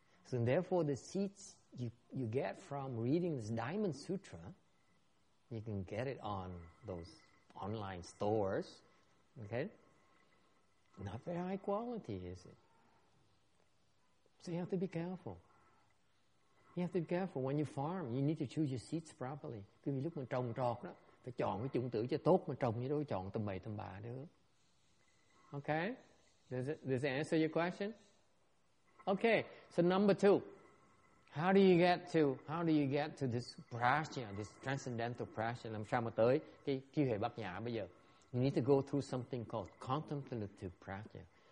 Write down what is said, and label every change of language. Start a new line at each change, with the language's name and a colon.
English: So therefore, the seeds you get from reading this Diamond Sutra, you can get it on those online stores, okay? Not very high quality, is it? So you have to be careful. You have to be careful when you farm. You need to choose your seeds properly.
Vietnamese: Cứ như lúc mình trồng trọt đó, phải chọn cái chủng tử cho tốt mà trồng như đâu chọn tầm bậy tầm bạ được.
English: Okay? Does it answer your question? Okay. So number two, how do you get to this prajna, this transcendental prajna?
Vietnamese: Làm sao mà tới cái kiểu hệ bát nhã bây giờ?
English: You need to go through something called contemplative prajna.